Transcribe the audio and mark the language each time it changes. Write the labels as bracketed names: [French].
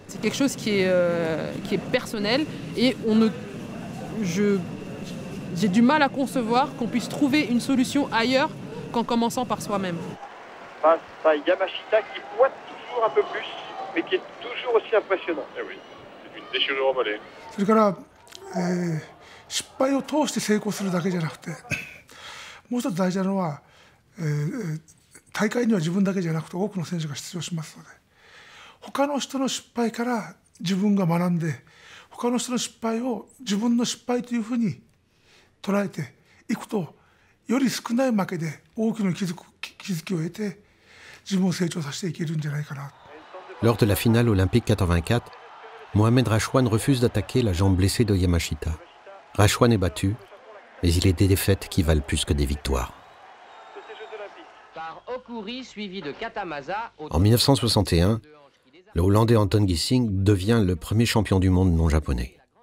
[French] C'est quelque chose qui est personnel et j'ai du mal à concevoir qu'on puisse trouver une solution ailleurs qu'en commençant par soi-même. Face à Yamashita qui boite toujours un peu plus, mais qui est toujours aussi impressionnant. Eh oui, c'est une déchirure au mollet. C'est quand même... [Japanese] 失敗を通して成功するだけじゃなくて、もう一つ大事なのは、大会には自分だけじゃなくて多くの選手が出場しますので、他の人の失敗から自分が学んで、他の人の失敗を自分の失敗というふうに捉えていくと、より少ない負けで大きな気づきを得て、自分を成長させていけるんじゃないかな。 [French] Lors de la finale olympique 84, Mohamed Rachouane refuse d'attaquer la jambe blessée de Yamashita. Rachouane est battu, mais il est des défaites qui valent plus que des victoires. Par Okuri, suivi de Katamaza, en 1961, le Hollandais Anton Gissing devient le premier champion du monde non japonais.